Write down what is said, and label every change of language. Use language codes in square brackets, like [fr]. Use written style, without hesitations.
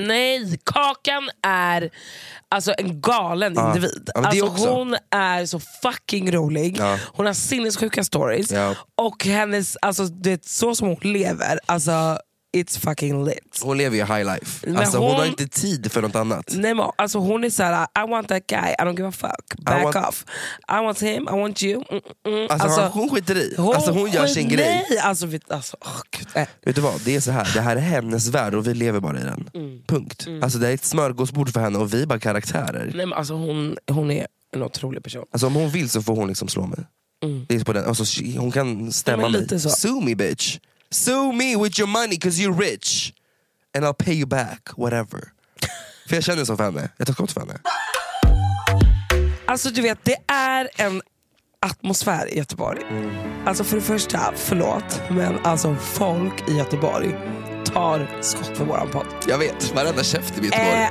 [sv] Nej, Kakan är alltså en galen individ. Ja, alltså också. Hon är så fucking rolig. Ja. Hon har sinnessjuka stories. Ja. Och hennes, alltså det är så som hon lever. Alltså [en] it's fucking lit. [sv] Hon lever ju high life. Alltså hon har inte tid för något annat. Nej, men alltså hon är såhär, [en] I want that guy, I don't give a fuck, back I want, off, I want him, I want you. [sv] Alltså hon skiter i, alltså hon gör sin grej. Nej, alltså, vet du vad, det är så här. Det här är hennes värld och vi lever bara i den. Punkt. Alltså det är ett smörgåsbord för henne och vi är bara karaktärer. Nej, men alltså hon är en otrolig person. Alltså om hon vill så får hon liksom slå mig. Det är på den. Alltså hon kan stämma mig lite så. [en] Sue me bitch, sue me with your money because you're rich and I'll pay you back whatever. [sv] För jag känner så för henne. Jag tar kort för henne. Alltså du vet, det är en atmosfär i Göteborg. Alltså för det första, förlåt, men alltså folk i Göteborg tar skott för våran podd. Jag vet, varenda käft i Göteborg.